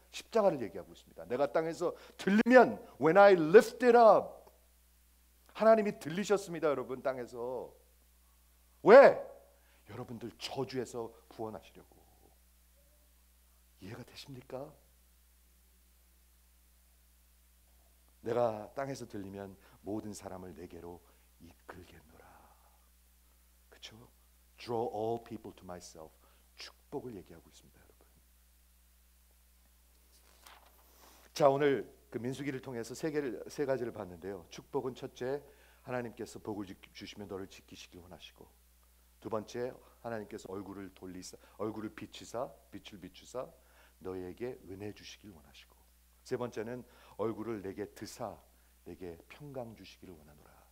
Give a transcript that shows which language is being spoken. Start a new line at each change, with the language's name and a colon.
Korean: 십자가를 얘기하고 있습니다. 내가 땅에서 들리면
English: When I lift it up
Korean: 하나님이 들리셨습니다, 여러분, 땅에서. 왜? 여러분들 저주에서 구원하시려고. 이해가 되십니까? 내가 땅에서 들리면 모든 사람을 내게로 이끌겠노라. 그렇죠?
English: Draw all people to myself.
Korean: 축복을 얘기하고 있습니다, 여러분. 자, 오늘 그 민수기를 통해서 세 가지를 봤는데요. 축복은 첫째, 하나님께서 복을 주시면 너를 지키시길 원하시고, 두 번째 하나님께서 얼굴을 돌리사 얼굴을 비추사 빛을 비추사 너에게 은혜 주시길 원하시고, 세 번째는 얼굴을 내게 드사 내게 평강 주시기를 원하노라.